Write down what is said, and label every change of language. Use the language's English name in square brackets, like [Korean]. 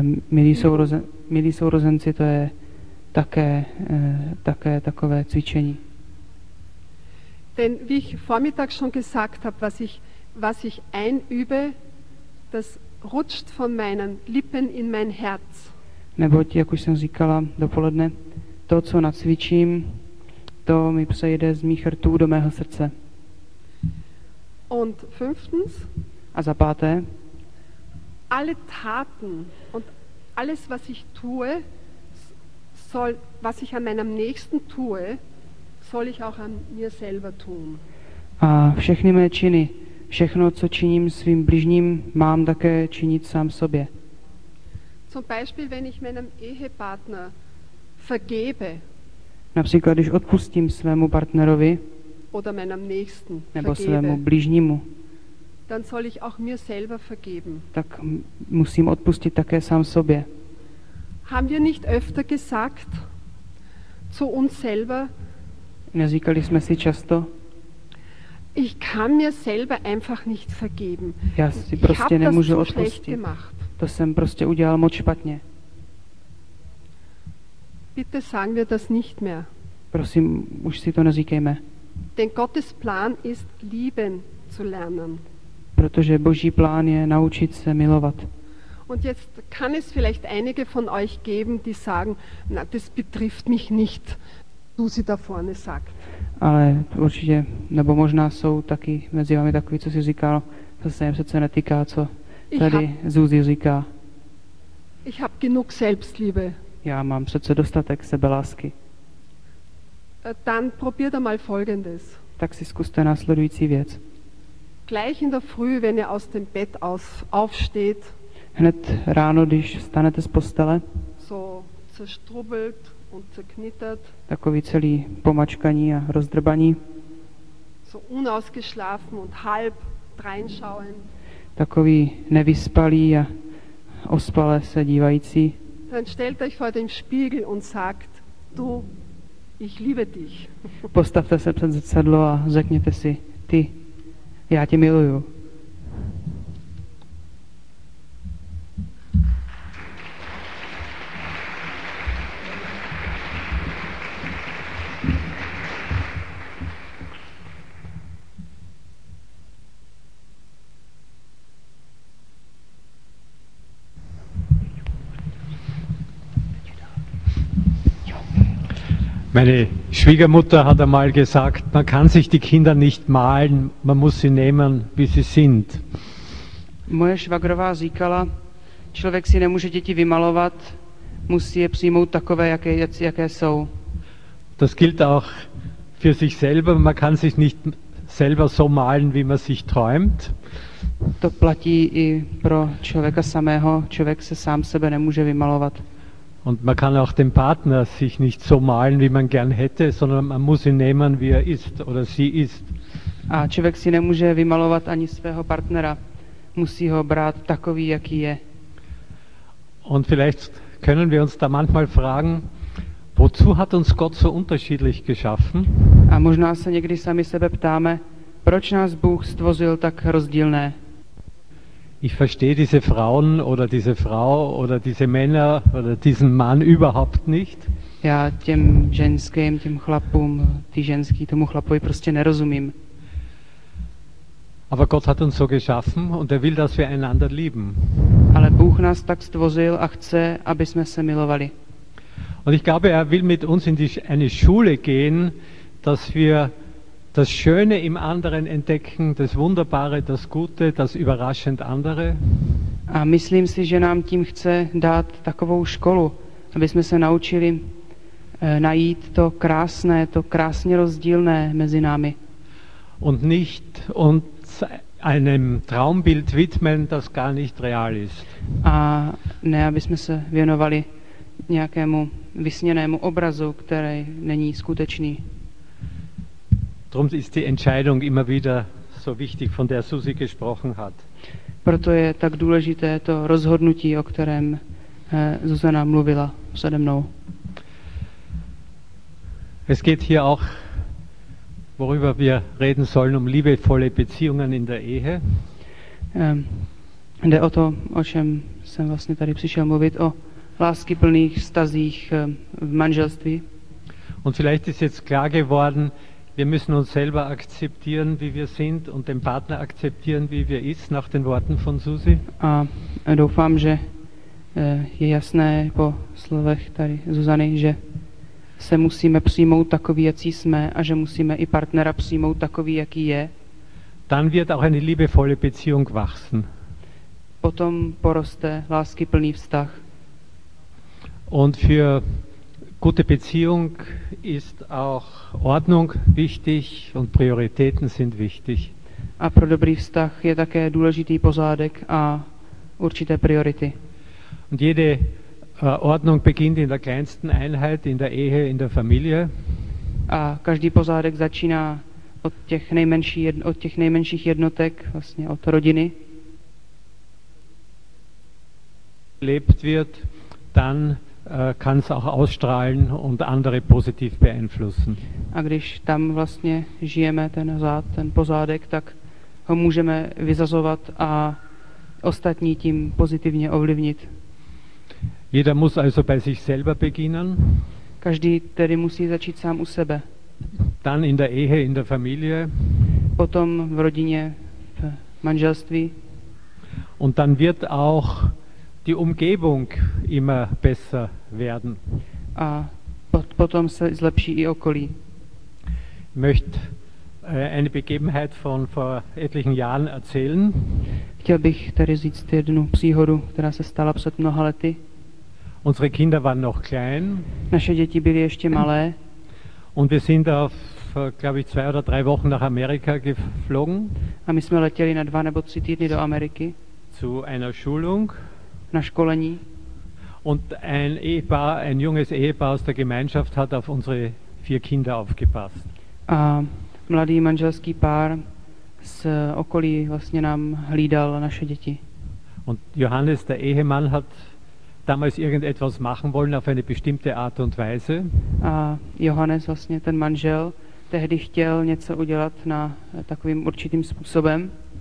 [Czech] Milí sourozenci, to je také takové cvičení. [German] Denn wie ich vormittags schon gesagt habe, was ich einübe, das rutscht von meinen Lippen in mein Herz. [Czech] Neboť, jak už jsem říkala dopoledne, to, co nacvičím, to mi přejde z mých rtů do mého srdce. [German] Und fünftens, [Czech] a za páté, [German] alle Taten und alles, was ich tue, soll, was ich an meinem Nächsten tue, soll ich auch an mir selber tun. [Czech] A všechny mé činy, všechno, co činím svým bližním, mám také činit sám sobě. [German] Zum Beispiel, wenn ich meinem Ehepartner vergebe. [Czech] Například, když odpustím svému partnerovi. [German] Oder meinem Nächsten vergebe. [Czech] Nebo svému bližnímu. [German] Dann soll ich auch mir selber vergeben. [Czech] Tak musím odpustit také sám sobě. [German] Haben wir nicht öfter gesagt zu uns selber? [Czech] Neříkali jsme si často. [German] Ich kann mir selber einfach nicht vergeben. [Czech] Já si prostě nemůžu odpustit. [German] Schlecht gemacht. [Czech] To jsem prostě udělal moc špatně. [German] Bitte sagen wir das nicht mehr. [Czech] Prosím, už si to neříkejme. [German] Denn Gottes Plan ist lieben zu lernen. [Czech] Protože Boží plán je naučit se milovat. [German] Und jetzt kann es vielleicht einige von euch geben, die sagen, na, das betrifft mich nicht, du sie da vorne sagt. [Czech] Ale určitě, nebo možná jsou taky mezi vámi takový, co si říkal, co se jim srdce netýká, co tady Zuzi říká. [German] Ich hab genug Selbstliebe. [Czech] Já mám přece dostatek sebelásky. [German] Dann probiert einmal Folgendes. [Czech] Tak si zkuste následující věc. [German] Gleich in der Früh, wenn ihr aus dem Bett aufsteht. [Czech] Hned ráno, když stanete z postele. [German] So zerstrubbelt und zerknittert. [Czech] Takový celý pomačkaní a rozdrbaní. [German] So unausgeschlafen und halb reinschauend. [Czech] Takový nevyspalý a ospale se dívající. [German] Dann stellt euch vor den Spiegel und sagt, du, ich liebe dich. [Czech] Postavte se před zrcadlo a řekněte si, ty, já tě miluju. [German] Meine Schwiegermutter hat einmal gesagt, man kann sich die Kinder nicht malen, man muss sie nehmen, wie sie sind. [Czech] Moje švagrová říkala, člověk si nemůže děti vymalovat, musí je přijmout takové, jaké jsou. [German] Das gilt auch für sich selber, man kann sich nicht selber so malen, wie man sich träumt. [Czech] To platí i pro člověka samého, člověk se sám sebe nemůže vymalovat. [German] Und man kann auch den Partner sich nicht so malen, wie man gern hätte, sondern man muss ihn nehmen, wie er ist oder sie ist. [Czech] A člověk si nemůže vymalovat ani svého partnera. Musí ho brát takový, jaký je. [German] Und vielleicht können wir uns da manchmal fragen, wozu hat uns Gott so unterschiedlich geschaffen? [Czech] A možná se někdy sami sebe ptáme, proč nás Bůh stvořil tak rozdílné? [German] Ich verstehe diese Frauen oder diese Frau oder diese Männer oder diesen Mann überhaupt nicht. [Czech] Já těm ženským, těm chlapům, ty ženský, tomu chlapovi prostě nerozumím. [German] Aber Gott hat uns so geschaffen und er will, dass wir einander lieben. [Czech] Ale Bůh nás tak stvořil a chce, aby jsme se milovali. [German] Und ich glaube, er will mit uns in eine Schule gehen, dass wir das Schöne im anderen entdecken, das Wunderbare, das Gute, das überraschend andere. [Czech] A myslím si, že nám tím chce dát takovou školu, aby jsme se naučili najít to krásné, to krásně rozdílné mezi námi. [German] Und nicht uns einem Traumbild widmen, das gar nicht real ist. [Czech] A ne, aby jsme se věnovali nějakému vysněnému obrazu, který není skutečný. [German] Drum ist die Entscheidung immer wieder so wichtig, von der Susi gesprochen hat. [Czech] Proto je tak důležité to rozhodnutí, o kterém Zuzana mluvila přede mnou. [German] Es geht hier auch, worüber wir reden sollen, um liebevolle Beziehungen in der Ehe. [Czech] Jde o to, o čem jsem vlastně tady přišel mluvit, o láskyplných vztazích v manželství. [German] Und vielleicht ist jetzt klar geworden, Wir müssen uns selber akzeptieren, wie wir sind und den Partner akzeptieren, wie wir ist, nach den Worten von Susi. [Czech] A doufám, že je jasné po slovech tady Zuzany, že se musíme přijmout takový, jaký jsme, a že musíme i partnera přijmout takový, jaký je. [German] Dann wird auch eine liebevolle Beziehung wachsen. [Czech] Potom poroste láskyplný vztah. [German] Und für gute Beziehung ist auch Ordnung wichtig und Prioritäten sind wichtig. [Czech] A pro dobrý vztah je také důležitý pořádek a určité priority. [German] Und jede Ordnung beginnt in der kleinsten Einheit, in der Ehe, in der Familie. [Czech] A každý pořádek začíná od těch nejmenších jednotek, vlastně od rodiny. [German] Lebt wird, dann kann es auch ausstrahlen und andere positiv beeinflussen. [Czech] A když tam vlastně žijeme ten pořádek, tak ho můžeme vyzazovat a ostatní tím pozitivně ovlivnit. [German] Jeder muss also bei sich selber beginnen. [Czech] Každý tedy musí začít sám u sebe. [German] Dann in der Ehe, in der Familie. [Czech] Potom v rodině, v manželství. [German] Und dann wird auch die Umgebung immer besser werden. [Czech] A potom se zlepší i okolí. [German] Ich möchte eine Begebenheit von vor etlichen Jahren erzählen. [Czech] Chtěl bych tady říct jednu příhodu, která se stala před mnoha lety. [German] Unsere Kinder waren noch klein. [Czech] Naše děti byly ještě malé. [German] Und wir sind auf, glaube ich, 2 oder 3 Wochen nach Amerika geflogen. [Czech] A my jsme letěli na 2 nebo 3 týdny do Ameriky. [German] Zu einer Schulung. [Czech] Na školení. [German] Und ein junges Ehepaar aus der Gemeinschaft hat auf unsere 4 Kinder aufgepasst. [Czech] A mladý manželský pár z okolí vlastně nám hlídal naše děti. [German] Und Johannes, der Ehemann, hat damals irgendetwas machen wollen auf eine bestimmte Art und Weise. [Czech] A Johannes, vlastně ten manžel, tehdy chtěl něco udělat na takovým určitým způsobem.